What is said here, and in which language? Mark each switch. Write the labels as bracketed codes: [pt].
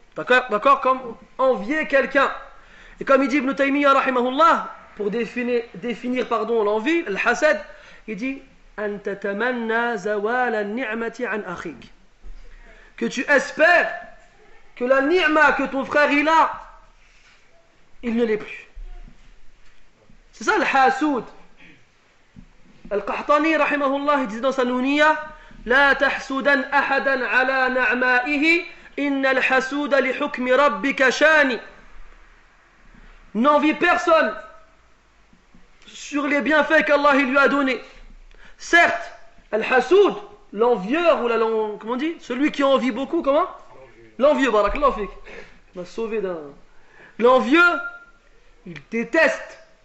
[fr] D'accord, comme envier quelqu'un. Et comme il dit Ibn Taymiyyah rahimahullah, pour définir l'envie, al-hasad, il dit [ar] antatamanna zawal an-ni'mati an akhik. [fr] Que tu espères que la ni'ma que ton frère il a, il ne l'est plus. C'est ça al-hasoud. Al-Qahtani rahimahullah dit dans sa Nouniya, [ar] لا تحسدن احدا على نعمائه ان الحسود لحكم ربك شاني. [fr] N'envie personne sur les bienfaits qu'Allah lui a donné. Certes, al-hasoud, l'envieur ou la comment on dit, celui qui envie beaucoup, comment? L'envieux, barakallahu fik. M'a sauvé d'un. L'envieux, il déteste.